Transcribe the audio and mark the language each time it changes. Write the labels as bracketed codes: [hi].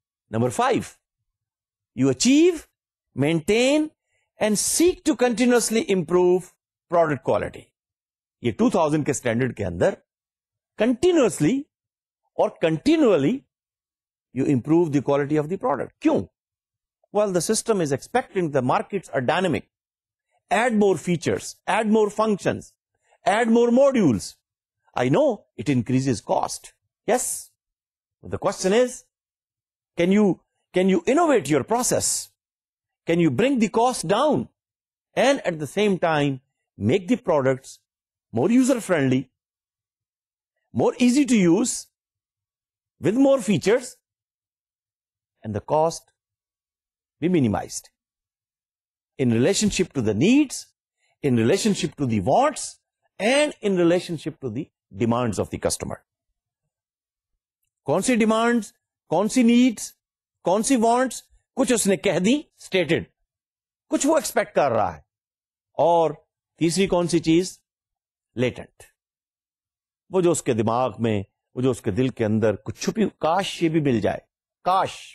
[en] Number five, you achieve maintain and seek to continuously improve product quality. [ur] یہ 2000 کے standard کے اندر continuously اور continually [en] You improve the quality of the product. [ur] کیوں؟ [en] Well the system is expecting the markets are dynamic, add more features, add more functions, add more modules. I know it increases cost, yes, the question is can you innovate your process, can you bring the cost down and at the same time make the products more user friendly, more easy to use, with more features and the cost be minimized in relationship to the needs, in relationship to the wants and in relationship to the demands of the customer. [ur] Kaunsi demands, kaunsi needs, کون سی wants, کچھ اس نے کہہ the stated, کچھ وہ expect کر رہا ہے, اور تیسری کون سی چیز, لیٹنٹ, وہ جو اس کے دماغ میں, وہ جو اس کے دل کے اندر کچھ چھپی, کاش یہ بھی مل جائے, کاش.